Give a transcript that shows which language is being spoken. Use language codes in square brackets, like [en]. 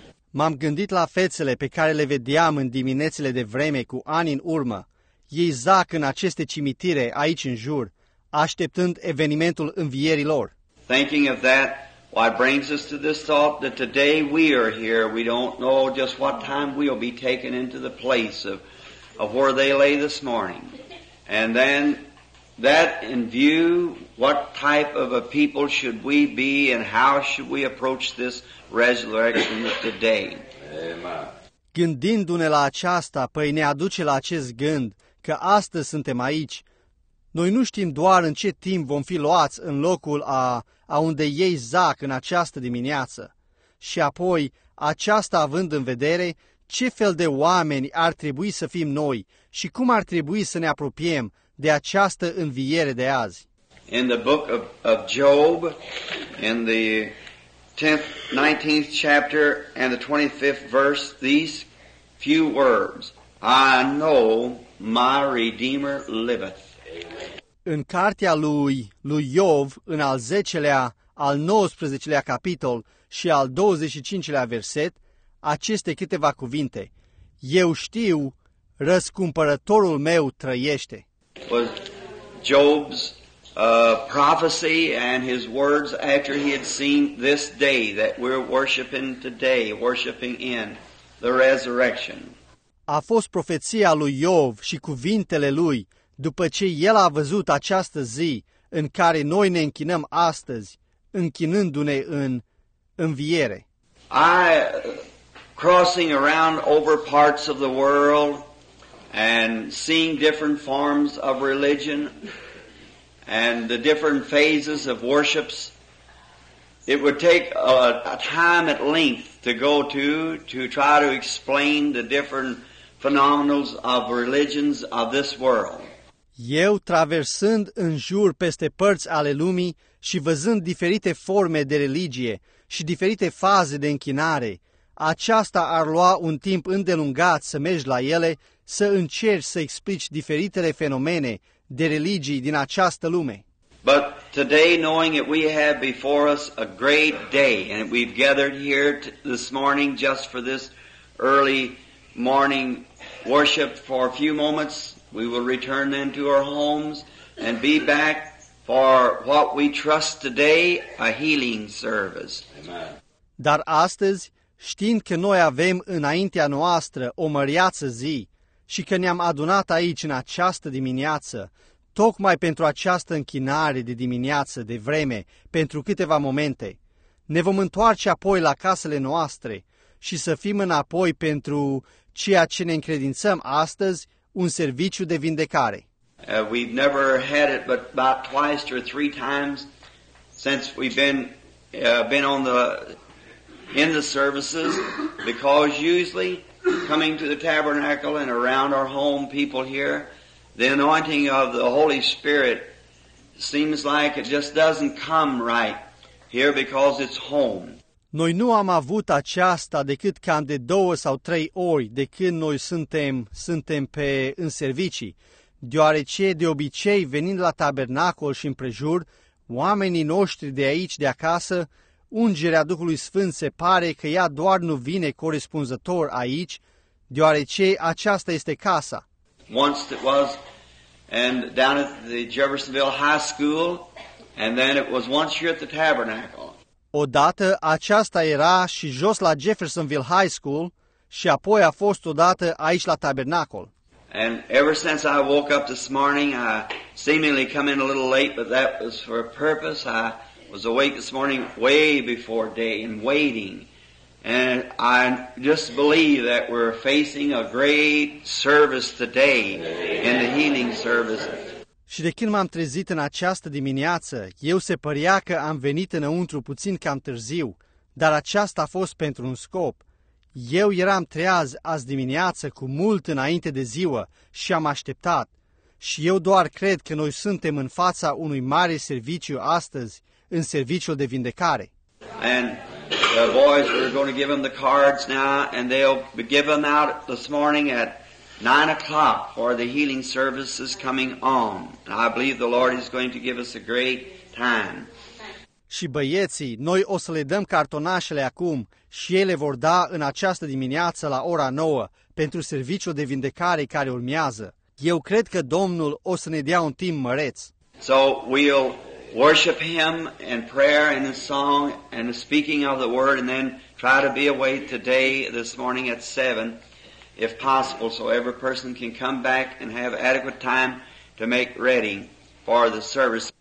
[ro] M-am gândit la fețele pe care le vedeam în diminețile de vreme cu ani în urmă. Ei zac în aceste cimitire aici în jur, așteptând evenimentul învierii lor. [en] Thinking of that, what brings us to this thought that today we are here, we don't know just what time we'll be taken into the place of where they lay this morning. And then that in view, what type of a people should we be and how should we approach this resurrection today? [ro] Gândindu-ne la aceasta, păi ne aduce la acest gând că astăzi suntem aici. Noi nu știm doar în ce timp vom fi luați în locul a unde ei zac în această dimineață. Și apoi, aceasta având în vedere, ce fel de oameni ar trebui să fim noi și cum ar trebui să ne apropiem de această înviere de azi. [en] In the book of Job, in the 10th, 19th chapter and the 25th verse, these few words, I know my Redeemer liveth. [ro] În cartea lui Iov, în al 10-lea, al 19-lea capitol și al 25-lea verset, aceste câteva cuvinte, eu știu, răscumpărătorul meu trăiește. [en] Was Job's prophecy and his words after he had seen this day that we're worshiping today, worshiping in the resurrection. [ro] A fost profeția lui Iov și cuvintele lui după ce el a văzut această zi în care noi ne închinăm astăzi, închinându-ne în înviere. [en] I crossing around over parts of the world and seeing different forms of religion and the different phases of worships, It would take a time at length to go to try to explain the different phenomena of religions of this world. [ro] Eu, traversând în jur peste părți ale lumii și văzând diferite forme de religie și diferite faze de închinare, aceasta ar lua un timp îndelungat să mergi la ele, să încerci să explici diferitele fenomene de religii din această lume. [en] But today, knowing that we have before us a great day, and we've gathered here this morning just for this early morning worship for a few moments, we will return then to our homes and be back for what we trust today, a healing service. Amen. [ro] Dar astăzi, știind că noi avem înaintea noastră o măriață zi și că ne-am adunat aici în această dimineață, tocmai pentru această închinare de dimineață, de vreme, pentru câteva momente, ne vom întoarce apoi la casele noastre și să fim înapoi pentru ceea ce ne încredințăm astăzi, un serviciu de vindecare. [en] We've never had it but about twice or three times since we've been on the in the services, because usually coming to the tabernacle and around our home people here, the anointing of the Holy Spirit seems like it just doesn't come right here because it's home. [ro] Noi nu am avut aceasta decât cam de două sau trei ori de când noi suntem pe în servicii, deoarece de obicei venind la tabernacol și împrejur, oamenii noștri de aici, de acasă, ungerea Duhului Sfânt se pare că ea doar nu vine corespunzător aici, deoarece aceasta este casa. [en] Once it was and down at the Jeffersonville High School, and then it was once here at the Tabernacle. [ro] Odată aceasta era și jos la Jeffersonville High School și apoi a fost odată aici la Tabernacol. [en] And ever since I woke up this morning, I seemingly come in a little late, but that was for a purpose. I was awake this morning way before day and waiting. And I just believe that we're facing a great service today in the healing service. [ro] Și de când m-am trezit în această dimineață, eu se părea că am venit înăuntru puțin cam târziu, dar aceasta a fost pentru un scop. Eu eram treaz azi dimineață cu mult înainte de ziua și am așteptat. Și eu doar cred că noi suntem în fața unui mare serviciu astăzi, în serviciul de vindecare. [en] And the boys are going to give them the cards now and they'll be given out this morning at 9 o'clock, for the healing service is coming on. I believe the Lord is going to give us a great time. [ro] Și băieții, noi o să le dăm cartonașele acum și ele vor da în această dimineață la ora 9 pentru serviciul de vindecare care urmează. Eu cred că Domnul o să ne dea un timp măreț. [en] So we'll worship Him in prayer and in song and the speaking of the Word, and then try to be away today, this morning at 7. If possible, so every person can come back and have adequate time to make ready for the service.